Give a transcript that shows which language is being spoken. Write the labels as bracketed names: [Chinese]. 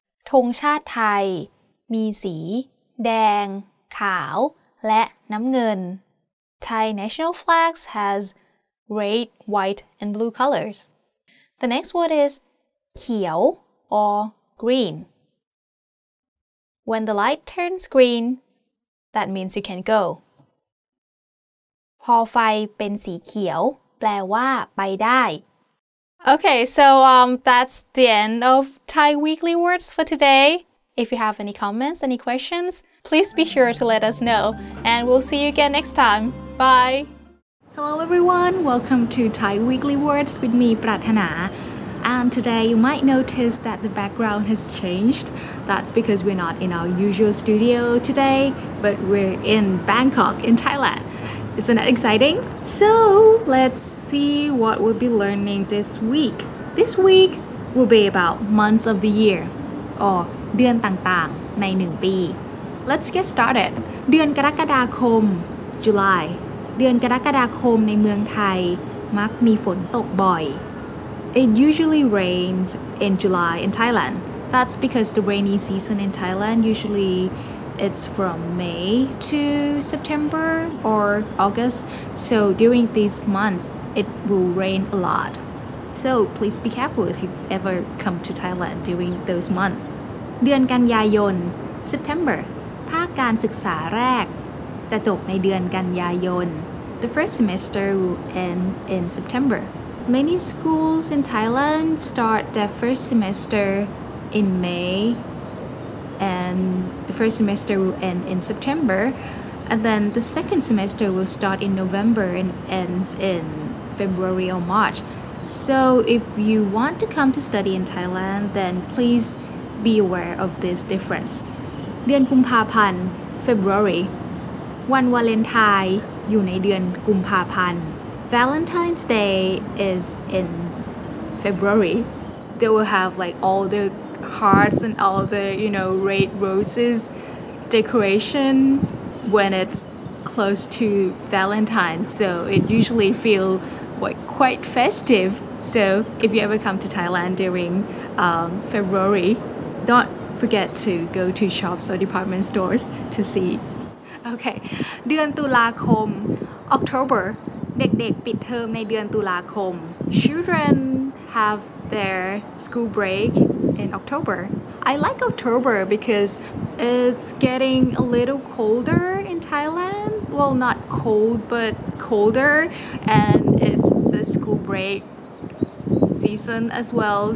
[Thai] ธงชาติไทยมีสีแดงขาวและน้ำเงิน [English] Thai national flags has red, white, and blue colors. The next word is [Thai] เขียว [English] or green. When the light turns green,That means you can go. [Thai] พอไฟเป็นสีเขียวแปลว่าไปได้ [English] Okay, so that's the end of Thai Weekly Words for today. If you have any comments, any questions, please be sure to let us know. And we'll see you again next time. Bye! Hello everyone, welcome to Thai Weekly Words with me, Prathana. And today you might notice that the background has changed. That's because we're not in our usual studio today. But we're in Bangkok, in Thailand. Isn't that exciting? So let's see what we'll be learning this week. This week will be about months of the year, [Thai] or เดือนต่างๆในหนึ่งปี [English] Let's get started. [Thai] เดือนกรกฎาคม [English] July. [Thai] เดือนกรกฎาคมในเมืองไทยมักมีฝนตกบ่อย [English] It usually rains in July in Thailand. That's because the rainy season in Thailand usually. It's from May to September or August. So during these months, it will rain a lot. So please be careful if you ever come to Thailand during those months. [Thai] เดือนกันยายน [English] September. [Thai] ภาคการศึกษาแรกจะจบในเดือนกันยายน [English] The first semester will end in September. Many schools in Thailand start their first semester in May. And the first semester will end in September, and then the second semester will start in November and ends in February or March. So if you want to come to study in Thailand, then please be aware of this difference. [Thai] เดือนกุมภาพันธ์ [English] February. [Thai] วันวาเลนไทน์อยู่ในเดือนกุมภาพันธ์ [English] Valentine's Day is in February. They will have like all the... hearts and all the, you know, red roses decoration when it's close to Valentine's. So it usually feels like quite festive. So if you ever come to Thailand during February, don't forget to go to shops or department stores to see. Okay. [Thai] เดือนตุลาคม [English] October. [Thai] เด็กๆปิดเทอมในเดือนตุลาคม [English] Children have their school break. In October. I like October because it's getting a little colder in Thailand. Well, not cold, but colder. And it's the school break season as well.